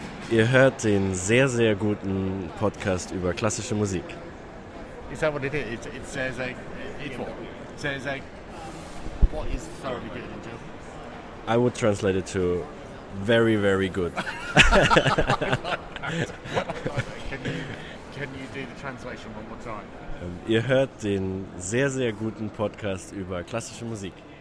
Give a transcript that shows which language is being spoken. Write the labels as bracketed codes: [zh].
[de] Ihr hört den sehr, sehr guten Podcast über klassische Musik. [en] Is that what it is? It says like, it's what? It says like, what is thoroughly good in German? I would translate it to very, very good. Can you do the translation one more time? [de] Ihr hört den sehr, sehr guten Podcast über klassische Musik.